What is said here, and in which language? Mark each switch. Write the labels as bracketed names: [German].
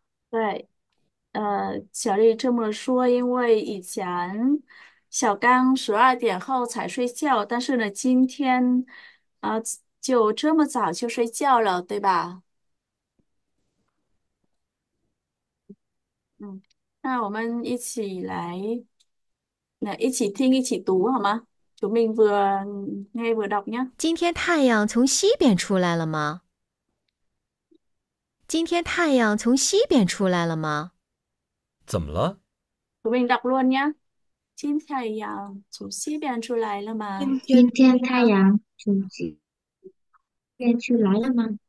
[Chinese] 对，小丽这么说，因为以前小刚12点后才睡觉，但是呢，今天就这么早就睡觉了，对吧？那我们一起来，那一起听，一起读好吗？ [Vietnamese] chúng mình vừa nghe vừa đọc nhé. [Chinese] 今天太阳从西边出来了吗？今天太阳从西边出来了吗？怎么了？ [Vietnamese] chúng mình đọc luôn nhé. [Chinese] 今天太阳从西边出来了吗？今天太阳从西边出来了吗？